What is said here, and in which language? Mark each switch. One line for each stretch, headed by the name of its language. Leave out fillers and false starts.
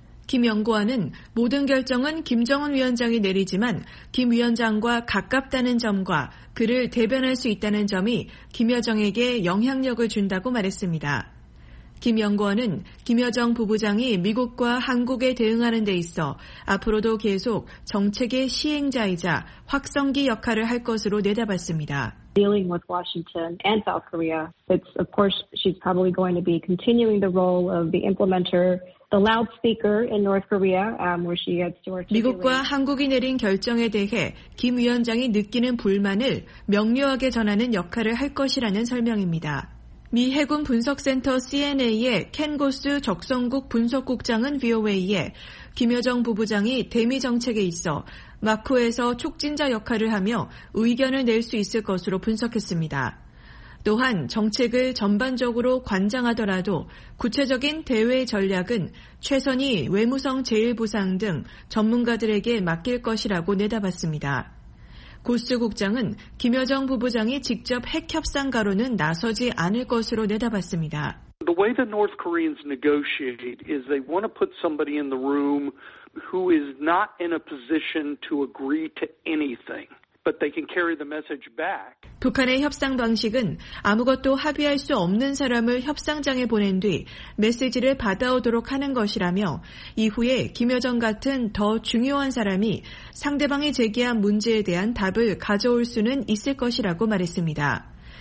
Korean: 김 연구원은 모든 결정은 김정은 위원장이 내리지만 김 위원장과 가깝다는 점과 그를 대변할 수 있다는 점이 김여정에게 영향력을 준다고 말했습니다. 김 연구원은 김여정 부부장이 미국과 한국에 대응하는 데 있어 앞으로도 계속 정책의 시행자이자 확성기 역할을 할 것으로 내다봤습니다.
English: Dealing with Washington and South Korea, it's of course she's probably going to be continuing the role of the implementer. The loudspeaker in North Korea, where she has to articulate.
Korean: 미국과 한국이 내린 결정에 대해 김 위원장이 느끼는 불만을 명료하게 전하는 역할을 할 것이라는 설명입니다. 미 해군 분석센터 CNA의 켄 고스 적성국 분석국장은 VOA에 김여정 부부장이 대미 정책에 있어 마크에서 촉진자 역할을 하며 의견을 낼 수 있을 것으로 분석했습니다. 또한 정책을 전반적으로 관장하더라도 구체적인 대외 전략은 최선희 외무성 제1부상 등 전문가들에게 맡길 것이라고 내다봤습니다. 고스 국장은 김여정 부부장이 직접 핵 협상 가로는 나서지 않을 것으로 내다봤습니다.
English: The way the North Koreans negotiate is they want to put somebody in the room who is not in a position to agree to anything. But they can carry the message back.
Korean: 북한의 협상 방식은 아무것도 합의할 수 없는 사람을 협상장에 보낸 뒤 메시지를 받아오도록 하는 것이라며 이후에 김여정 같은 더 중요한 사람이 상대방이 제기한 문제에 대한 답을 가져올 수는 있을 것이라고 말했습니다.